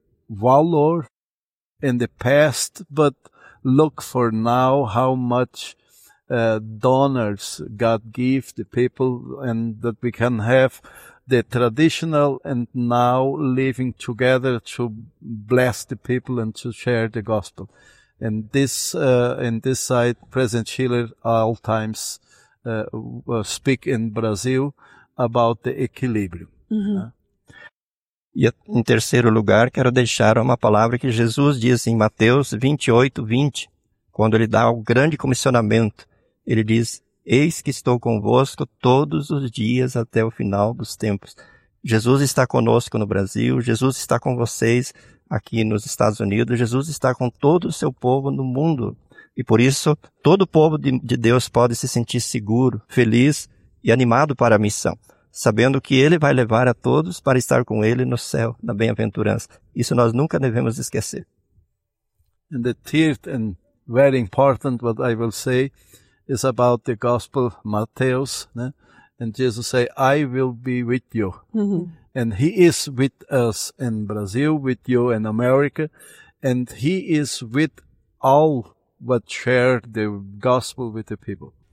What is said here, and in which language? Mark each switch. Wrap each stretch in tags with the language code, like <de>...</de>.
<en>valor in the past, but look for now how much donors God give the people, and that we can have the traditional and now living together to bless the people and to share the gospel. And this, in this side, President Schiller all times speak in Brazil about the equilibrium. Uhum.</en> <pt>Né? E em terceiro lugar, quero deixar uma palavra que Jesus diz em Mateus 28:20, quando ele dá o grande comissionamento, ele diz: eis que estou convosco todos os dias até o final dos tempos. Jesus está conosco no Brasil, Jesus está com vocês aqui nos Estados Unidos, Jesus está com todo o seu povo no mundo. E por isso, todo povo de Deus pode se sentir seguro, feliz e animado para a missão, sabendo que ele vai levar a todos para estar com ele no céu, na bem-aventurança. Isso nós nunca devemos esquecer.</pt> <en>And the third and very important what I will say is about the gospel, Matthäus, né? And Jesus say, I will be with you. Mm-hmm. And he is with us in Brazil, with you in America, and he is with all that share the gospel with the people.</en>